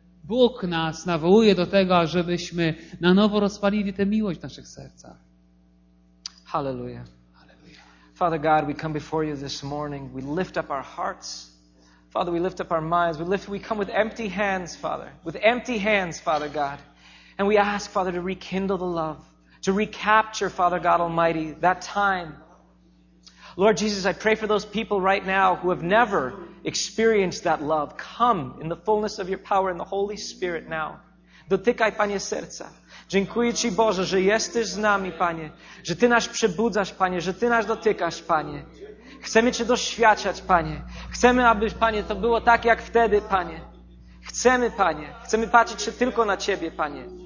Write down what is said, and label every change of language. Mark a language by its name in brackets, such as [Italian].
[Polish] Bóg nas nawołuje do tego, żebyśmy na nowo rozpalili tę miłość w naszych sercach. [English] Hallelujah. Father God, we come before you this morning. We lift up our hearts. Father, we lift up our minds. We come with empty hands, Father. With empty hands, Father God. And we ask, Father, to rekindle the love. To recapture, Father God Almighty, that time. Lord Jesus, I pray for those people right now who have never experienced that love. Come in the fullness of your power in the Holy Spirit now. [Polish] Dotykaj, Panie, serca. Dziękuję Ci, Boże, że jesteś z nami, Panie. Że Ty nas przebudzasz, Panie. Że Ty nas dotykasz, Panie. Chcemy Cię doświadczać, Panie. Chcemy, aby, Panie, to było tak jak wtedy, Panie. Chcemy, Panie. Chcemy patrzeć się tylko na Ciebie, Panie.